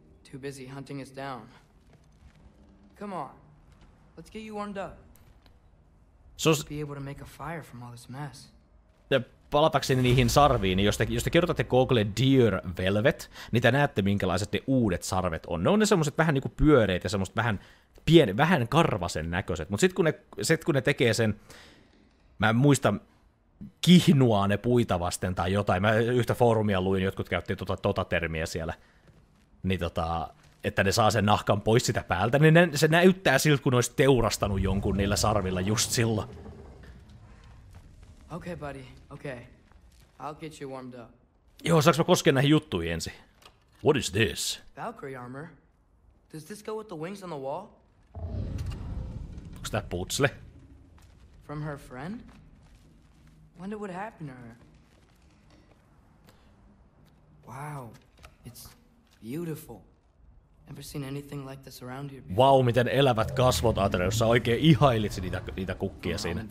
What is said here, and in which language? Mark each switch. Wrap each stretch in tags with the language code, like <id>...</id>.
<en>Too busy hunting us down. Come on. Let's get you warmed up. So be able to make a fire from all this mess.</en> <fi>Palatakseni niihin sarviin, jos te kerrotatte Google Deer Velvet, niin te näette, minkälaiset ne uudet sarvet on. Ne on ne semmoset vähän niinku pyöreitä ja semmoset vähän pieni, vähän karvasen näköiset. Mut sit kun ne tekee sen, mä en muista, kihnua ne puita vasten tai jotain. Mä yhtä foorumia luin, jotkut käytti tota termiä siellä. Niin että ne saa sen nahkan pois sitä päältä, niin se näyttää siltä, kun olisi teurastanut jonkun niillä sarvilla just sillä.</fi> <en>Okay, buddy. Okay. I'll get you warmed up.</en> <fi>Joo, saaks mä koskee näihin juttuihin ensin?</fi> <en>What is this? Valkyrie armor? Does this go with the wings on the wall?</en> <fi>Onks tää putsle?</fi> <en>From her friend? Wonder what happened to her. Wow. It's beautiful. Never seen anything like this around here before.</en> <fi>Wow, miten elävät kasvot, Atreus. Sä oikein ihailitsi niitä kukkia siinä.</fi>